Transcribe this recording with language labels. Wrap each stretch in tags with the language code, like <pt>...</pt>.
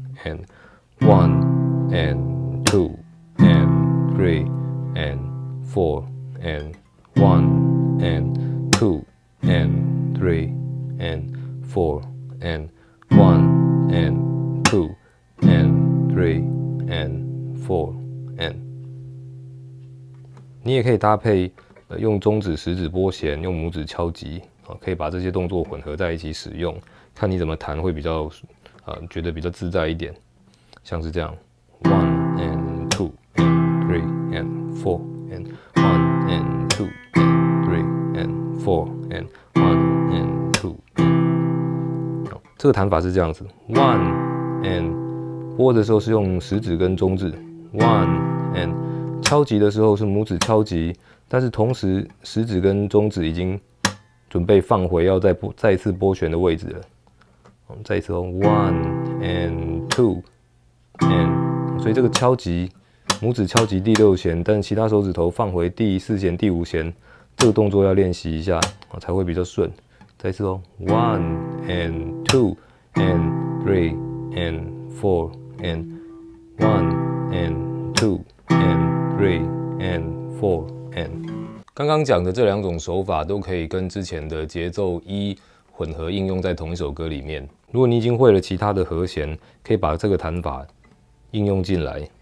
<en>And one and two and three and four and one and two and three and four and one and two and three and four and。</en> <zh>你也可以搭配用中指、食指拨弦，用拇指敲击，可以把这些动作混合在一起使用，看你怎么弹会比较。觉得比较自在一点，像是这样</zh> <en>，one and two and three and four and one and two and three and four and one and two and。</en> <zh>好，这个弹法是这样子 ，</zh> <en>one and</en> <zh>拨的时候是用食指跟中指 ，one and 敲击的时候是拇指敲击，但是同时食指跟中指已经准备放回要再次拨弦的位置了。我们再一次哦 ，</zh> <en>one and two and，</en> <zh>所以这个敲击，拇指敲击第六弦，但其他手指头放回第四弦、第五弦，这个动作要练习一下，才会比较顺。再一次哦</zh> <en>，one and two and three and four and one and two and three and four and。</en> <zh>刚刚讲的这两种手法都可以跟之前的节奏一混合应用在同一首歌里面。如果你已经会了其他的和弦，可以把这个弹法应用进来。</zh>